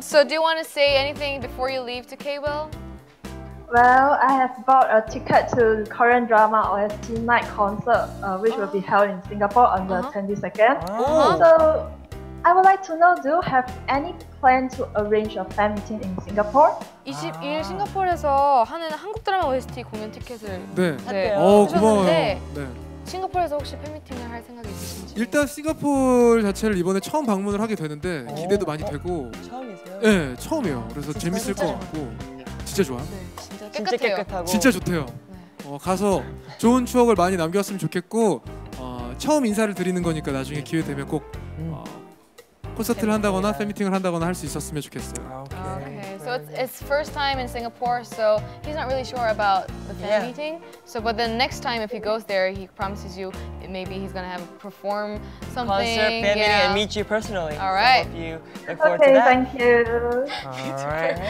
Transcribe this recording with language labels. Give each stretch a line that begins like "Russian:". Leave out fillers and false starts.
English: So do you want to say anything before you leave to K.Will? Well, I have bought a ticket to Korean drama OST night concert, which will be held in Singapore on the 22nd. So I would like to know, do you have any plan to arrange a fan meeting in Singapore?
Korean: 21일 싱가포르에서 하는 한국 드라마 OST 공연 티켓을 네. 네. 고마워요. 네. 싱가포르에서 혹시 팬미팅을 할 생각이 있으신지? 일단 싱가포르 자체를 이번에 처음 방문을 하게 되는데 기대도 많이 되고 처음이세요? 네, 처음이에요. 그래서 재밌을 것 같고 진짜 좋아. 네, 진짜, 진짜 깨끗하고 진짜 좋대요. 네. 가서 좋은 추억을 많이 남겼으면 좋겠고 처음 인사를 드리는 거니까 나중에 기회 되면 꼭 콘서트를 한다거나 팬미팅을 한다거나 할 수 있었으면 좋겠어요.
English: So it's first time in Singapore, so he's not really sure about the fan yeah. meeting. So, but then next time if he goes there, he promises you maybe he's gonna have perform something. Concert, fan yeah. meeting, and meet you personally. All right. So I hope you look forward to that. Thank you. All right.